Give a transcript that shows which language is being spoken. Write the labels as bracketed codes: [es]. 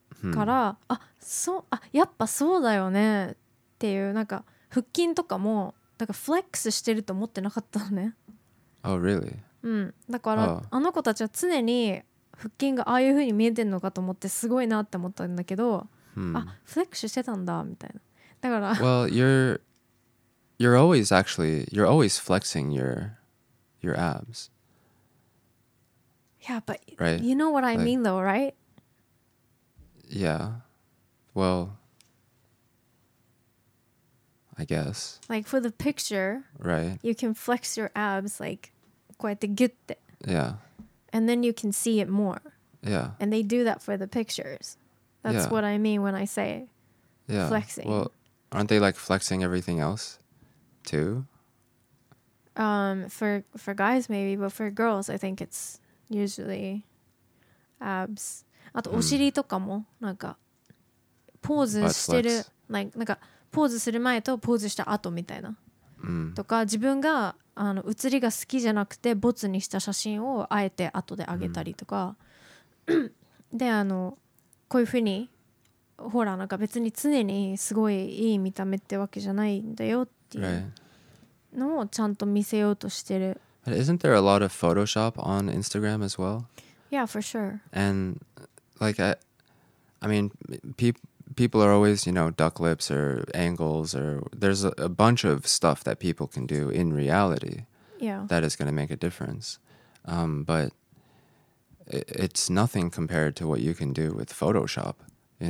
[ja] から、あ、そう、あ、やっぱそうだよねっていう、なんか腹筋とかもだからフレックスしてると思ってなかったのね。 [en] Oh, really? [ja] うん、だから、oh. あの子たちは常に腹筋がああいう風に見えてるのかと思ってすごいなって思ったんだけど、あ、フレックスしてたんだみたいな。だから [en] Well, you're always actually, you're always flexing your abs. Yeah, but、right? you know what I mean though, right? Yeah. Well, I guess. Like for the picture, right? You can flex your abs like [ja] こうやってギュッて、 [en] yeah. And then you can see it more. Yeah. And they do that for the pictures. That's、yeah. what I mean when I say、 yeah. flexing. Well, aren't they like flexing everything else too? For guys maybe, but for girls I think it's usually abs. [ja] あとお尻とかもなんかポーズしてる、like、なんかポーズする前とポーズした後みたいな、とか自分が写りが好きじゃなくてボツにした写真をあえて後であげたりとか、でこういう風にほらなんか別に常にすごいいい見た目ってわけじゃないんだよっていうのをちゃんと見せようとしてる。 [en] But isn't there a lot of Photoshop on Instagram as well? Yeah, for sure. And like I mean people are always, you know, duck lips or angles or there's a bunch of stuff that people can do in reality、 yeah. that is going to make a difference.、but it's nothing compared to what you can do with Photoshop, you